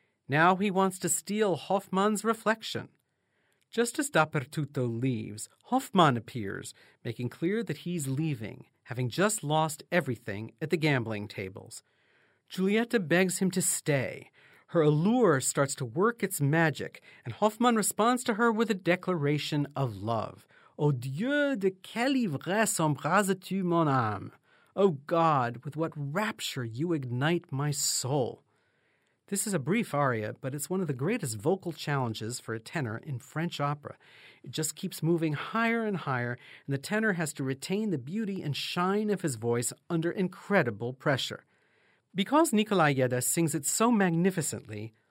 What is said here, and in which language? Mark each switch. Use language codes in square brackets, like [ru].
[en] Now he wants to steal Hoffmann's reflection. Just as Dappertutto leaves, Hoffmann appears, making clear that he's leaving, having just lost everything at the gambling tables. Julieta begs him to stay. Her allure starts to work its magic, and Hoffmann responds to her with a declaration of love. [fr] Oh, Dieu, de quelle ivresse embrases-tu mon âme? [en] Oh, God, with what rapture you ignite my soul. This is a brief aria, but it's one of the greatest vocal challenges for a tenor in French opera. It just keeps moving higher and higher, and the tenor has to retain the beauty and shine of his voice under incredible pressure. Because Nicolas Yeda sings it so magnificently,